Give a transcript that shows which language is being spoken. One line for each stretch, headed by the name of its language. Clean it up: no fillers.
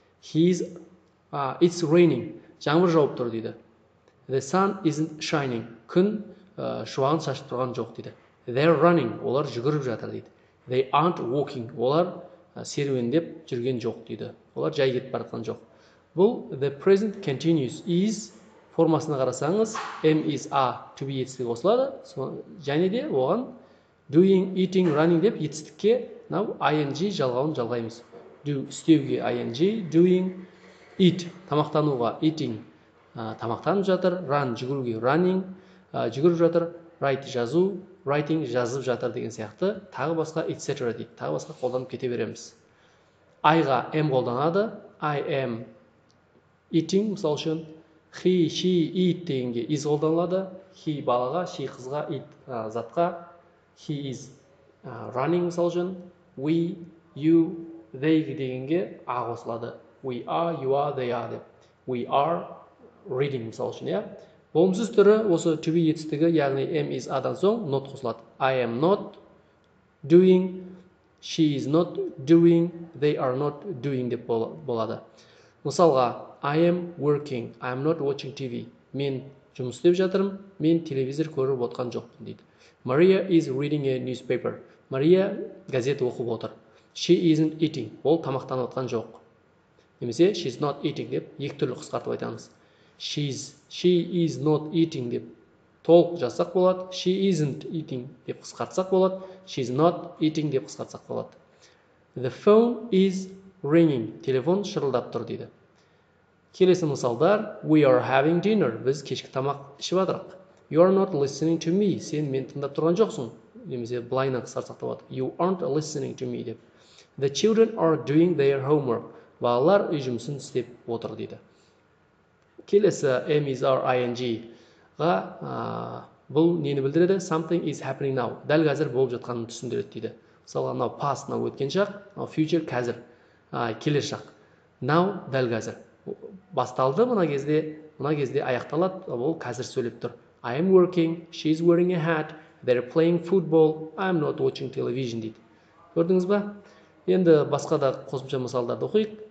English: He is, it's raining.
Kazakh: Жаңбыр жауып тұр дейді.
English: The sun isn't shining.
Kazakh: Күн шуағын шашып тұрған жоқ дейді.
English: They're running.
Kazakh: Олар жүгіріп жатыр дейді.
English: They aren't walking.
Kazakh: Олар серуендеп жүрген жоқ дейді. Олар жай кетіп баратқан жоқ. Бұл
English: the present continuous is
Kazakh: формасына қарасаңыз,
English: am is are to be
Kazakh: етістігі қосылады. Және де оған
English: doing, eating, running
Kazakh: деп етістікке now ing жалғауын жалғаймыз. Do істеуге ing, doing, eat, тамақтануға, eating, тамақтанып жатыр, run, жүгіруге, running, жүгіріп жатыр, write, жазу, writing, жазып жатыр деген сияқты, тағы басқа, etc. дейді, тағы басқа қолданып кете береміз. I-ға am қолданады,
English: I am eating,
Kazakh: мысал үшін, he, she, eat дегенге is қолданылады, he балаға, she қызға, eat затқа,
English: he is running,
Kazakh: мысал үшін, we, you, they дегенге а қосылады.
English: We are, you are, they are. We are reading,
Kazakh: мысал үшін,
English: yeah?
Kazakh: Болымсыз түрі осы to be етістігі, яғни am is адан соң, not қосылады.
English: I am not doing, she is not doing, they are not doing
Kazakh: деп болады. Мысалға,
English: I am working, I am not watching TV.
Kazakh: Мен жұмыс істеп жатырым, мен телевизор көріп отқан жоқпын дейді.
English: Maria is reading a newspaper.
Kazakh: Maria газет оқып отыр.
English: She isn't eating,
Kazakh: ол тамақтанып отқан жоқ. Немесе,
English: she's not eating
Kazakh: деп, екі түрлі қысқартып айтамыз.
English: She is not eating
Kazakh: деп, толық жазсақ болады.
English: She isn't eating
Kazakh: деп қысқартсақ болады.
English: She's not eating
Kazakh: деп қысқартсақ болады.
English: The phone is ringing.
Kazakh: Телефон шырылдап тұр дейді. Келесі мысалдар,
English: we are having dinner.
Kazakh: Біз кешкі тамақ ішіп жатырық.
English: You are not listening to me.
Kazakh: Сен мен тыңдап тұрған жоқсың. Немесе, blind-ы қысқартсақ болады.
English: You aren't listening to me деп. The children are doing their homework.
Kazakh: Балалар үй жұмысын істеп отыр дейді. Келесі am is are ing-ға бұл нені білдіреді?
English: Something is happening now.
Kazakh: Дәл қазір болып жатқанын түсіндіреді дейді. Мысалға, now past, now өткен шақ, now future, қазір, келер шақ. Now дәл қазір. Басталды мына кезде аяқталады, ол қазір сөйлеп тұр.
English: I am working, she is wearing a hat, they are playing football, I am not watching television дейді.
Kazakh: Көрдіңіз ба? Енді басқа да қосымша мысалдарды оқиық.